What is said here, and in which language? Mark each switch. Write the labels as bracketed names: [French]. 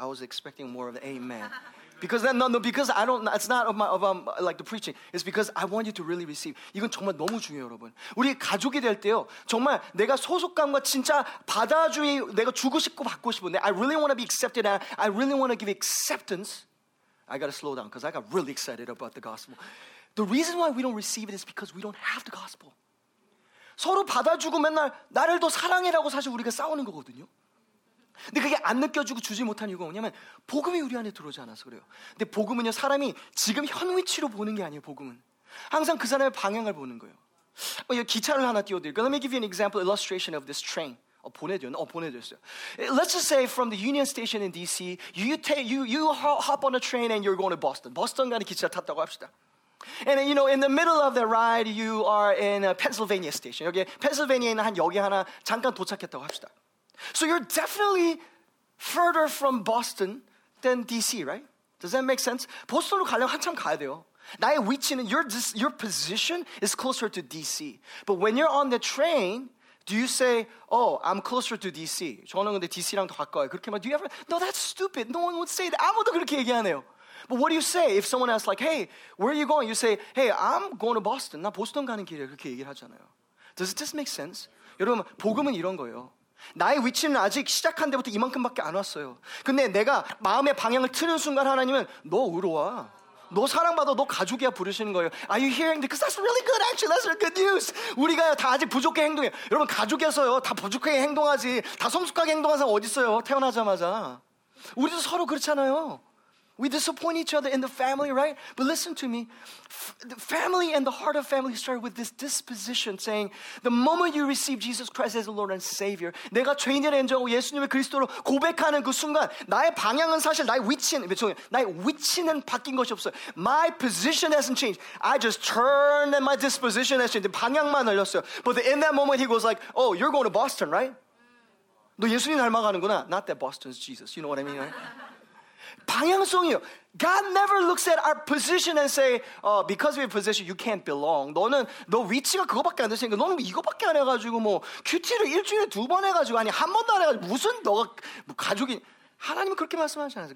[English] I was expecting more of an amen. Because then, no, because I don't, it's not of my, of like the preaching. It's because I want you to really receive. [Korean] 이건 정말 너무 중요해요, 여러분. 우리 가족이 될 때요, 정말 내가 소속감과 진짜 받아주기, 내가 주고 싶고 받고 싶은데, [English] I really want to be accepted. I really want to give acceptance. I got to slow down because I got really excited about the gospel. The reason why we don't receive it is because we don't have the gospel. [Korean] 서로 받아주고 맨날 나를 더 사랑해라고 사실 우리가 싸우는 거거든요. 근데 그게 안 느껴지고 주지 못하는 이유가 뭐냐면 복음이 우리 안에 들어오지 않아서 그래요. 근데 복음은요, 사람이 지금 현 위치로 보는 게 아니에요. 복음은 항상 그 사람의 방향을 보는 거예요. 뭐 여기 기차를 하나 띄워드릴게요. [English] Let me give you an example illustration of this train. [Korean] 보내드렸어요. [English] Let's just say from the Union Station in DC, you hop on a train and you're going to Boston. [Korean] 보스턴 가는 기차 탔다고 합시다. [English] And you know, in the middle of the ride, you are in a Pennsylvania Station. [Korean] 여기 펜실베니아에는 한 여기 하나 잠깐 도착했다고 합시다. [English] So you're definitely further from Boston than DC, right? Does that make sense? [Korean] 보스턴으로 가려면 한참 가야 돼요. 나의 위치는, [English] your position is closer to DC. But when you're on the train, do you say, oh, I'm closer to DC. [Korean] 저는 근데 DC랑 더 가까워요. 그렇게 말, [English] do you ever, no, that's stupid. No one would say that. [Korean] 아무도 그렇게 얘기 안 해요. [English] But what do you say if someone asks like, hey, where are you going? You say, hey, I'm going to Boston. [Korean] 나 보스턴 가는 길이에요. 그렇게 얘기를 하잖아요. [English] Does this make sense? [Korean] 여러분, 복음은 이런 거예요. 나의 위치는 아직 시작한 데부터 이만큼밖에 안 왔어요. 근데 내가 마음의 방향을 트는 순간 하나님은 너 의로 와. 너 사랑받아. 너 가족이야 부르시는 거예요. [English] Are you hearing this? Because that's really good actually. That's really good news. [Korean] 우리가 다 아직 부족해 행동해. 여러분 가족에서요 다 부족해 행동하지. 다 성숙하게 행동한 사람 어디 있어요. 태어나자마자. 우리도 서로 그렇잖아요. [English] We disappoint each other in the family, right? But listen to me. The family and the heart of family started with this disposition saying, the moment you receive Jesus Christ as the Lord and Savior, [Korean] 내가 죄인이라는 인정하고 예수님을 그리스도로 고백하는 그 순간, 나의 방향은 사실 나의 위치는, 나의 위치는 바뀐 것이 없어요. [English] My position hasn't changed. I just turned and my disposition has changed. [Korean] 방향만 흘렸어요. [English] But in that moment, he goes like, oh, you're going to Boston, right? [Korean] 너 예수님 닮아가는구나. [English] Not that Boston's Jesus. You know what I mean, right? [Korean] 방향성이요. [English] God never looks at our position and say, oh, because of your position, you can't belong. [Korean] 너는, 너 위치가 그거밖에 안 되시니까, 너는 이거밖에 안 해가지고, 뭐, QT를 일주일에 두 번 해가지고, 아니, 한 번도 안 해가지고, 무슨 너가 뭐 가족이. 하나님이 그렇게 말씀하시지 않으세요?